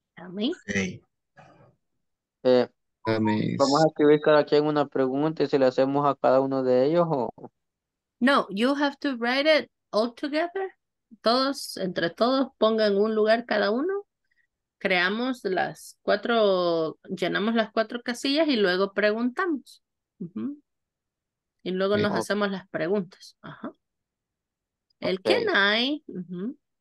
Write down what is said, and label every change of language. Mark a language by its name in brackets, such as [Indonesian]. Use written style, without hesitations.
[English] Miss. Hey. Miss. [Spanish] Vamos a escribir cada quien una pregunta y se la hacemos a cada uno de ellos o. [English] No, you have to write it all together. [Spanish] Todos, entre todos, pongan un lugar cada uno. Creamos las cuatro, llenamos las cuatro casillas y luego preguntamos. Uh-huh. Y luego nos hacemos las preguntas. Ajá. El okay. [English] Can I. Uh-huh.